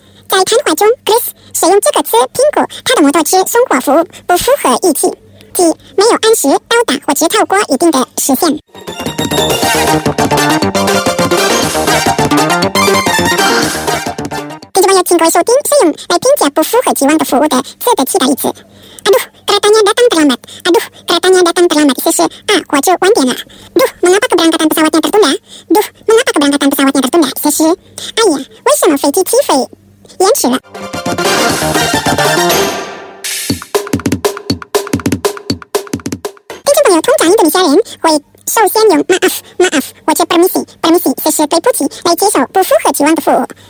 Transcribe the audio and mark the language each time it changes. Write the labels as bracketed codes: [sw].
[zh] 在谈话中 Chris 使用这个词评估他的摩托车送货服务不符合预期，即没有按时到达或只超过一定的时限。请各位收听，使用来评价不符合期望的服务的字的替代例子。 [id] Aduh, keretanya datang terlambat. Aduh, keretanya datang terlambat. [zh] 这是啊，火车晚点了。 [id] Duh, mengapa keberangkatan pesawatnya tertunda? Duh, mengapa keberangkatan pesawatnya tertunda? [zh] 这是哎呀，为什么飞机起飞延迟了？听众朋友，通常印度尼西亚人会首先用 [id] maaf, maaf, [zh] 或者 [id] permisi, permisi, [zh] 这是对不起，来接受不符合期望的服务。